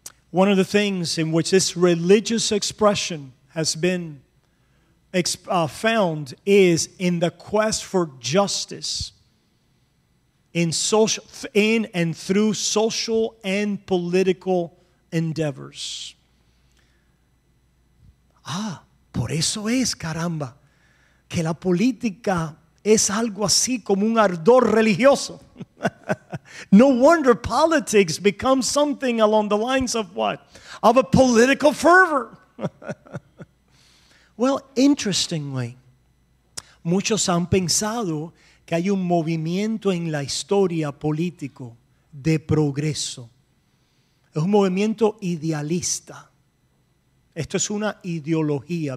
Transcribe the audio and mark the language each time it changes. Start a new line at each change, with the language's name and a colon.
English: One of the things in which this religious expression has been found is in the quest for justice in social, in and through social and political endeavors.
Spanish: Ah, por eso es, caramba, que la política es algo así como un ardor religioso.
English: No wonder politics becomes something along the lines of what? Of a political fervor. Well, interestingly,
Spanish: muchos han pensado que hay un movimiento en la historia político de progreso. Es un movimiento idealista. Esto es una ideología.